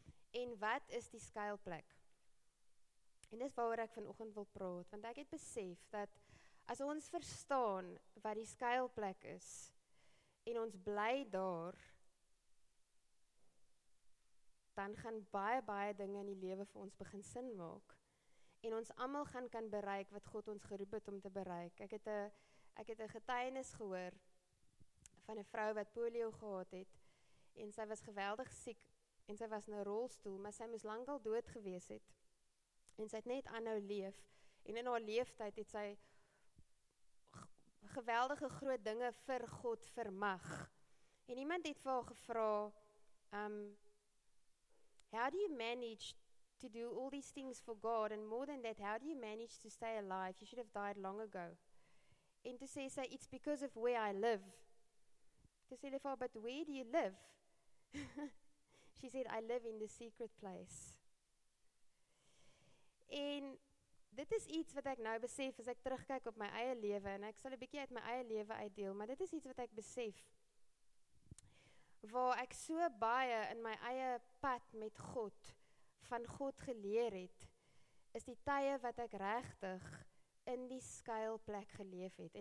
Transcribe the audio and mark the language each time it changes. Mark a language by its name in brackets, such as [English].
[Afrikaans] En wat is die skuilplek? En dis waaroor ek vanoggend wil praat, want ek het besef dat as ons verstaan wat die skuilplek is, en ons bly daar, dan gaan baie, baie dinge in die lewe vir ons begin sin maak. En ons allemaal gaan kan bereik wat God ons geroep het om te bereik. Ek het een getuienis gehoor van een vrou wat polio gehad het, en sy was geweldig siek, en sy was in een rolstoel, maar sy moes lang al dood gewees het. En sy het net aanhou leef, en in haar leeftijd het sy geweldige groot dinge vir God vermag. En iemand het vir haar gevra, [English] how do you manage to do all these things for God, and more than that, how do you manage to stay alive? You should have died long ago. [Afrikaans] En toe sê sy, [English] it's because of where I live. [Afrikaans] Toe sê hulle vir haar, [English] but where do you live? She said, I live in the secret place. [Afrikaans] En dit is iets wat ek nou besef as ek terugkyk op my eie lewe, en ek sal 'n bietjie uit my eie lewe uitdeel, maar dit is iets wat ek besef, waar ek so baie in my eie pad met God, van God geleer het, is die tye wat ek regtig in die skuilplek geleef het.